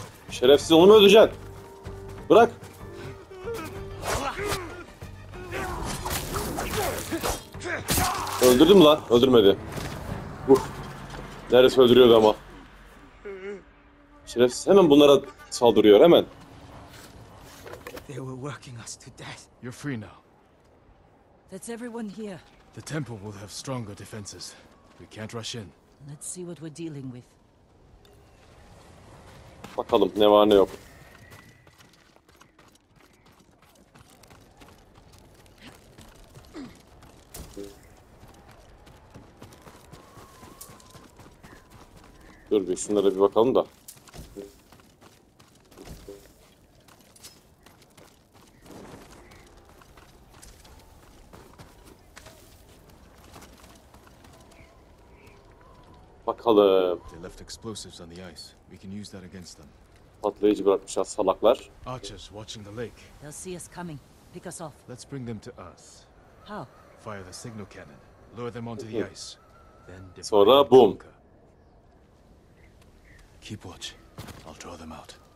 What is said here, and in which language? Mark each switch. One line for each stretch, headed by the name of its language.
Turkish: Şerefsiz onu mu öldüreceksin? Bırak. Öldürdüm lan. Öldürmedi. Neresi öldürüyordu ama. Şerefsiz hemen bunlara saldırıyor hemen.
English: They were working us to death. You're free now. That's everyone here. The temple will have stronger defenses. We can't rush in. Let's see what we're dealing with.
Turkish: Bakalım ne var ne yok. Dur bir şunlara bir bakalım da. Bakalım.
English: They left explosives on the ice. We can use that against them.
Turkish: Patlayıcı bırakmışlar salaklar.
English: Archers watching the lake. They'll see us coming. Pick us off. Let's bring them to us. How? Fire the signal cannon. Lure them onto the ice. Then sonra boom. Keep watch. I'll draw them out.